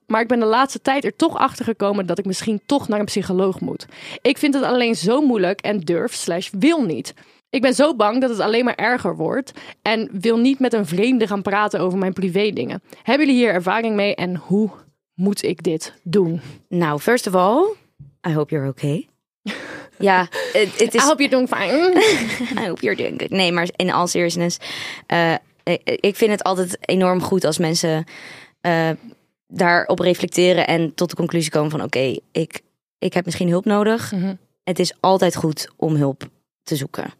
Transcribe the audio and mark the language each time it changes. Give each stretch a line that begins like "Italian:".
Dutch: Maar ik ben de laatste tijd er toch achter gekomen dat ik misschien toch naar een psycholoog moet. Ik vind het alleen zo moeilijk en durf/wil niet. Ik ben zo bang dat het alleen maar erger wordt en wil niet met een vreemde gaan praten over mijn privé dingen. Hebben jullie hier ervaring mee en hoe moet ik dit doen?
English: Nou, first of all, I hope you're okay. Ja, it is... I hope you're doing fine. I hope you're doing good.
Dutch: Nee, maar
English: in all seriousness,
Dutch: ik vind het altijd enorm goed als mensen daarop reflecteren en tot de conclusie komen van oké, ik heb misschien hulp nodig. Mm-hmm. Het is altijd goed om hulp te zoeken.